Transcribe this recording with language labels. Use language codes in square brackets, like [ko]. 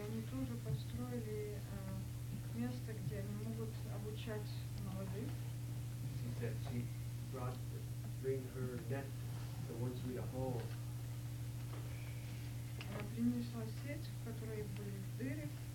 [ru] тоже построили место, где они могут обучать молодых. [en] She said she brought the, bring her net, the ones with a hole. [ru] Она принесла сеть, в которой были дыры.